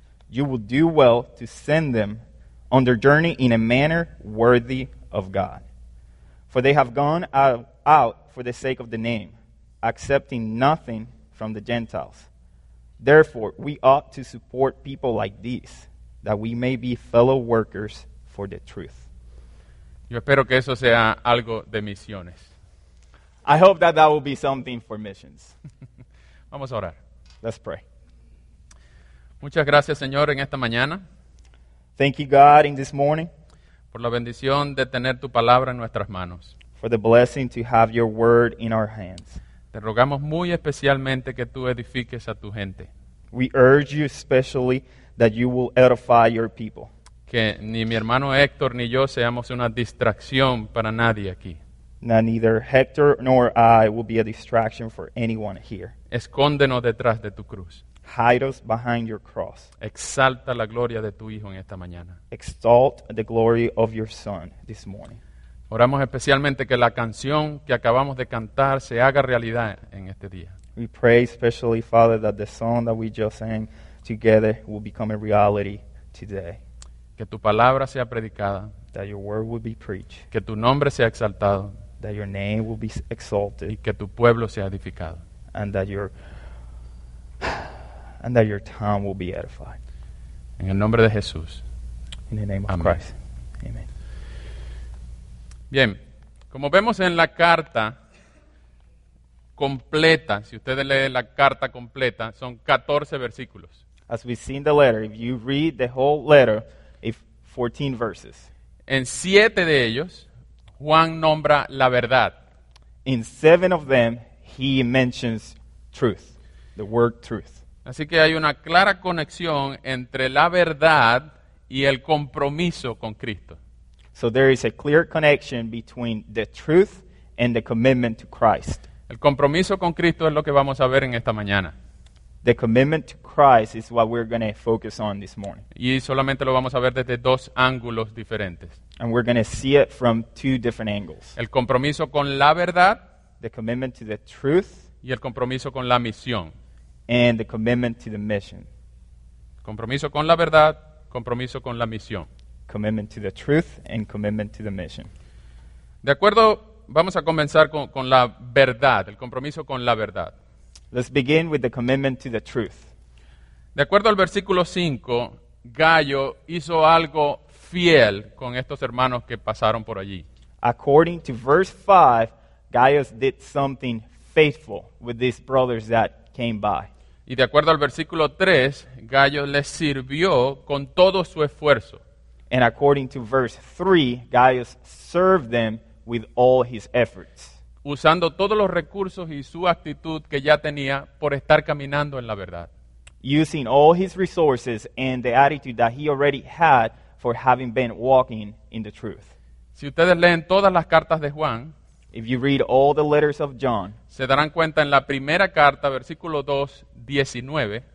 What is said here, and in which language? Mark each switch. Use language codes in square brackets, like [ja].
[en] You will do well to send them on their journey in a manner worthy of God. For they have gone out for the sake of the name, accepting nothing from the Gentiles. Therefore, we ought to support people like these, that we may be fellow workers for the truth. [es] Yo espero que eso sea algo de misiones. [en] I hope that that will be something for missions. [es] Vamos a orar. [en] Let's pray. [es] Muchas gracias, Señor, en esta mañana. [en] Thank you, God, in this morning. [es] Por la bendición de tener tu palabra en nuestras manos. [en] For the blessing to have your word in our hands. [es] Te rogamos muy especialmente que tú edifiques a tu gente. [en] We urge you especially that you will edify your people. [es] Que ni mi hermano Héctor ni yo seamos una distracción para nadie aquí. [en] Now neither Hector nor I will be a distraction for anyone here. [es] Escóndenos detrás de tu cruz. [en] Hide us behind your cross. [es] Exalta la gloria de tu hijo en esta mañana. [en] Exalt the glory of your son this morning. [es] Oramos especialmente que la canción que acabamos de cantar se haga realidad en este día. [en] We pray especially, Father, that the song that we just sang together will become a reality today. [es] Que tu palabra sea predicada. [en] That your word will be preached. [es] Que tu nombre sea exaltado. [en] That your name will be exalted. [es] Y que tu pueblo sea edificado. [en] And that your town will be edified. [es] En el nombre de Jesús. [en] In the name of Amen. Christ. Amen. [es] Bien, como vemos en la carta completa, si ustedes leen la carta completa, son 14 versículos. [en] As we see in the letter, if you read the whole letter, it's 14 verses. [es] En 7 de ellos, Juan nombra la verdad. [en] In 7 of them, he mentions truth, the word truth. [es] Así que hay una clara conexión entre la verdad y el compromiso con Cristo. [en] So there is a clear connection between the truth and the commitment to Christ. [es] El compromiso con Cristo es lo que vamos a ver en esta mañana. [en] The commitment to Christ is what we're going to focus on this morning. [es] Y solamente lo vamos a ver desde dos ángulos diferentes. [en] And we're going to see it from two different angles. [es] El compromiso con la verdad. [en] The commitment to the truth. [es] Y el compromiso con la misión. [en] And the commitment to the mission. [es] Compromiso con la verdad, compromiso con la misión. [en] Commitment to the truth and commitment to the mission. [es] De acuerdo, vamos a comenzar con la verdad, el compromiso con la verdad. [en] Let's begin with the commitment to the truth. [es] De acuerdo al versículo 5, Gallo hizo algo fiel con estos hermanos que pasaron por allí. [en] According to verse 5, Gallo did something faithful with these brothers that came by. [es] Y de acuerdo al versículo 3, Gallo les sirvió con todo su esfuerzo. [en] And according to verse 3, Gallo served them with all his efforts. [es] Usando todos los recursos y su actitud que ya tenía por estar caminando en la verdad. [en] Using all his resources and the attitude that he already had for having been walking in the truth. [es] Si ustedes leen todas las cartas de Juan, [en] if you read all the letters of John, [es] se darán cuenta en la primera carta, versículo 2, 19,